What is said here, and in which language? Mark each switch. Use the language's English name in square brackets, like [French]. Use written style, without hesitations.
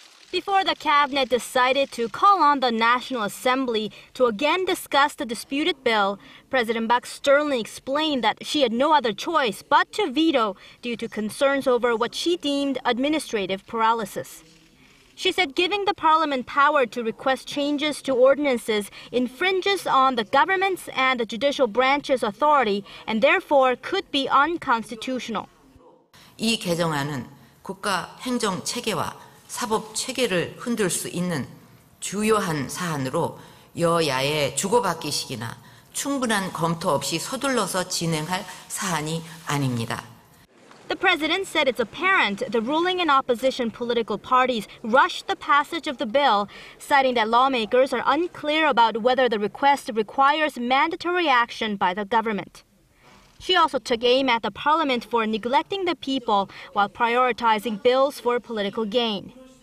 [English] Before the cabinet decided to call on the National Assembly to again discuss the disputed bill, President Park sternly explained that she had no other choice but to veto due to concerns over what she deemed administrative paralysis. She said giving the parliament power to request changes to ordinances infringes on the government's and the judicial branch's authority and therefore could be unconstitutional. [Korean] 이 개정안은 국가 행정 체계와 사법 체계를 흔들 수 있는 주요한 사안으로 여야의 주고받기식이나 충분한 검토 없이 서둘러서 진행할 사안이 아닙니다. [English] The president said it's apparent the ruling and opposition political parties rushed the passage of the bill, citing that lawmakers are unclear about whether the request requires mandatory action by the government. She also took aim at the parliament for neglecting the people while prioritizing bills for political gain.